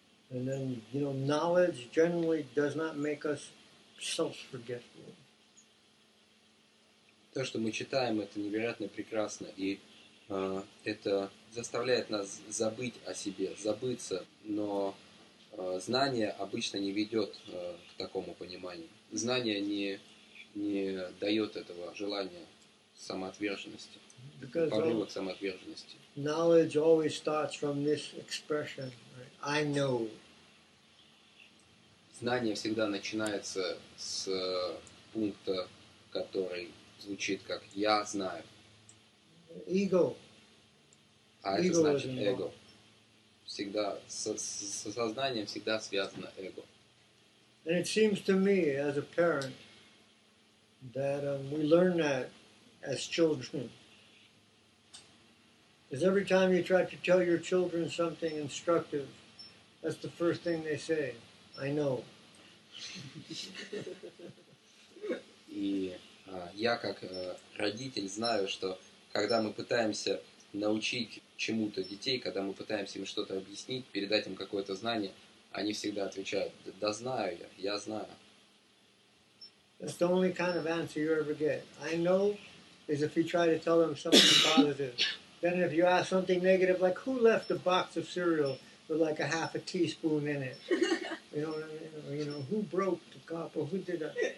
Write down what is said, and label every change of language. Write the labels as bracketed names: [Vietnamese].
[English] And then, you know, knowledge generally does not make us self-forgetful. [Russian] То, что мы читаем, это невероятно прекрасно, и это заставляет нас забыть о себе, забыться, но... Знание обычно не ведет к такому пониманию. Знание не дает этого желания самоотверженности, порыва к самоотверженности. [English] Knowledge always starts from this expression, right? I know. [Russian] Знание всегда начинается с пункта, который звучит как «я знаю». [English] Ego. [Russian] А это ego значит «эго». Всегда со сознанием всегда связано эго. [English] And it seems to me, as a parent, that we learn that as children. Because every time you try to tell your children something instructive, that's the first thing they say: "I know." [Russian] И я как родитель знаю, что когда мы пытаемся научить чему-то детей, когда мы пытаемся им что-то объяснить, передать им какое-то знание, они всегда отвечают: «Да знаю я, я знаю». [English] That's the only kind of answer you ever get. I know is if you try to tell them something positive. Then if you ask something negative, like who left a box of cereal with like a half a teaspoon in it? You know what I mean? Or, you know, who broke the cup or who did that?